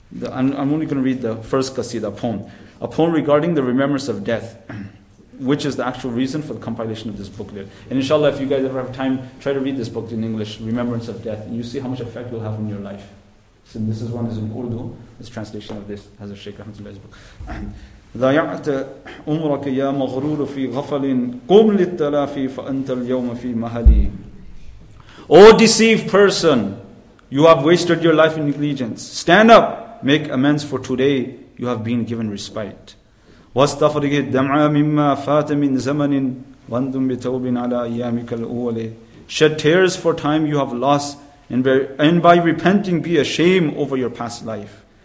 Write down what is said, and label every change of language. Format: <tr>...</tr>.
<en>I'm only going to read the first Qasida poem. A poem regarding the remembrance of death, which is the actual reason for the compilation of this booklet. And inshallah, if you guys ever have time, try to read this book in English, Remembrance of Death, and you see how much effect it will have on your life. So this is one is in Urdu, it's a translation of this, as a Shaykh Ahmadullah's book.</en> <ar>ضيعت عمرك يا مغرور في غفل قم للتلافي فأنت اليوم في مهدي.</ar> <en>O deceived person, you have wasted your life in negligence. Stand up, make amends, for today you have been given respite.</en> <ar>واستفرغ الدمع مما فات من زمن واندم بتوب على أيامك الأولى.</ar> <en>Shed tears for time you have lost, and by repenting be ashamed over your past life.</en>